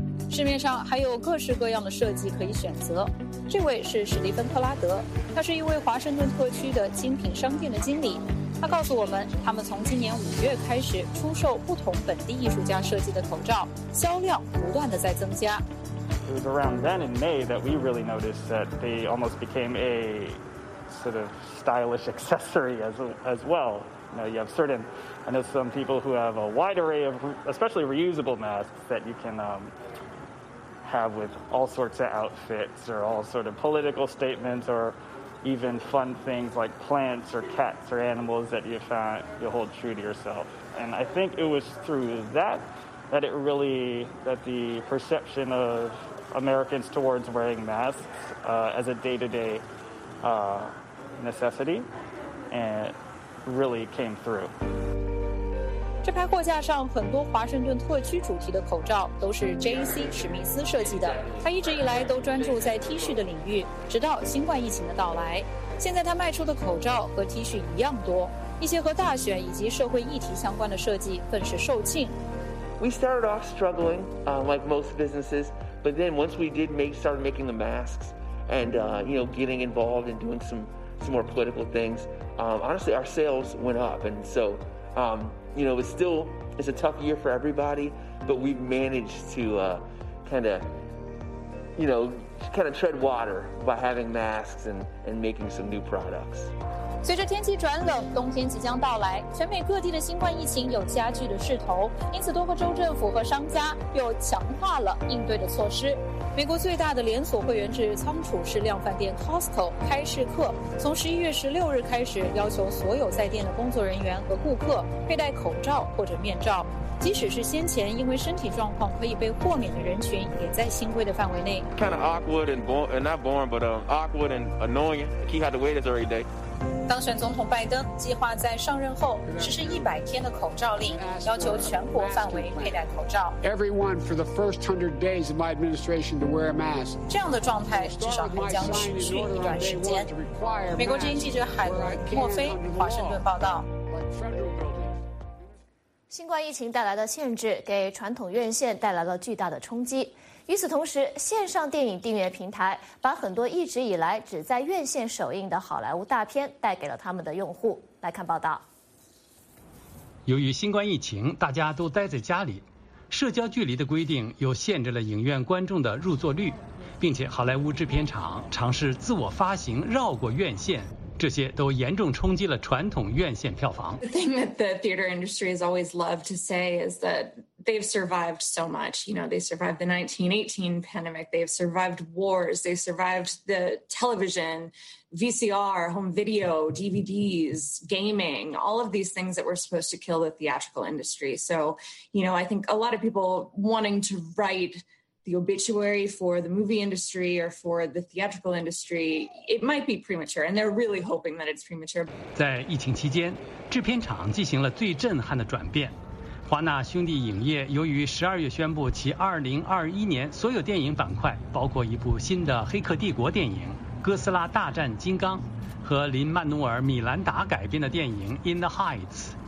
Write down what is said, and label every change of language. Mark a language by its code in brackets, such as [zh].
[zh] 市面上还有各式各样的设计可以选择。这位是史蒂芬·特拉德，他是一位华盛顿特区的精品商店的经理。他告诉我们，他们从今年5月开始出售不同本地艺术家设计的口罩，销量不断的在增加。 [en] It was around then in May that we really noticed that they almost became a sort of stylish accessory as well. You know, you have certain, I know some people who have a wide array of, especially reusable masks that you can have with all sorts of outfits or all sort of political statements or. Even fun things like plants or cats or animals that you found, you hold true to yourself. And I think it was through that, that it really, that the perception of Americans towards wearing masks as a day-to-day necessity and really came through. [zh] 这排货架上很多华盛顿特区主题的口罩都是 J.C. 史密斯设计的，他一直以来都专注在 T 恤的领域，直到新冠疫情的到来，现在他卖出的口罩和 T 恤一样多，一些和大选以及社会议题相关的设计更是售罄。 [en] We started off struggling, like most businesses, but then once we did started making the masks and, you know, getting involved and doing some more political things, honestly, our sales went up, and so, you know, it's a tough year for everybody, but we've managed to kind of tread water by having masks and making some new products. [zh] 随着天气转冷，冬天即将到来，全美各地的新冠疫情有加剧的势头，因此多个州政府和商家又强化了应对的措施。美国最大的连锁会员制仓储式量贩店 Costco 开市客，从11月16日开始要求所有在店的工作人员和顾客佩戴口罩或者面罩，即使是先前因为身体状况可以被豁免的人群也在新规的范围内。 [en] Kind of awkward and boring, not boring, but awkward and annoying. He had to wait this every day. [zh] 当选总统拜登计划在上任后实施100天的口罩令，要求全国范围佩戴口罩。 [en] Everyone for the first 100 days of my administration to wear a mask。 [zh] 这样的状态至少还将持续一段时间。美国之音记者海伦·墨菲，华盛顿报道。新冠疫情带来的限制给传统院线带来了巨大的冲击。与此同时，线上电影订阅平台把很多一直以来只在院线首映的好莱坞大片带给了他们的用户。来看报道。由于新冠疫情，大家都待在家里，社交距离的规定又限制了影院观众的入座率，并且好莱坞制片厂尝试自我发行绕过院线，这些都严重冲击了传统院线票房。 [en] The thing that the theater industry has always loved to say is that they've survived so much. You know, they survived the 1918 pandemic. They've survived wars. They survived the television, VCR, home video, DVDs, gaming, all of these things that were supposed to kill the theatrical industry. So, you know, I think a lot of people wanting to write. The obituary for the movie industry or for the theatrical industry, it might be premature, and they're really hoping that it's premature. [zh] 在疫情期间，制片厂进行了最震撼的转变。华纳兄弟影业由于12月宣布其2021年所有电影板块，包括一部新的《黑客帝国》电影《哥斯拉大战金刚》和林曼努尔·米兰达改编的电影《In the Heights》。